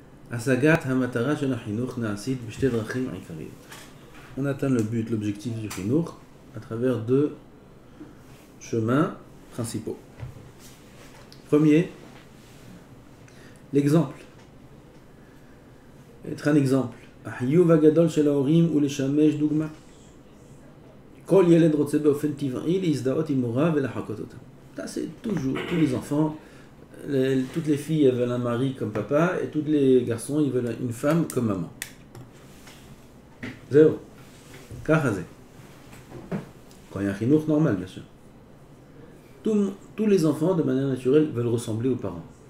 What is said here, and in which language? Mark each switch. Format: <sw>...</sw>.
<he>השגת המטרה של החינוך נעשית בשתי דרכים עיקריות.</he> <fr>On atteint le but, l'objectif du חינוך à travers deux chemins principaux. Premier, l'exemple. Être un exemple.</fr> <he>החיוב הגדול של ההורים הוא לשמש דוגמה. כל ילד רוצה באופן טבעי להזדהות עם מורה ולחקות אותה.</he> <fr>Ça, c'est toujours, tous les enfants, toutes les filles veulent un mari comme papa, et tous les garçons, ils veulent une femme comme maman. Zéro. Kahazé. Quand il y a un chinuch normal, bien sûr. Tous les enfants, de manière naturelle, veulent ressembler aux parents.</fr>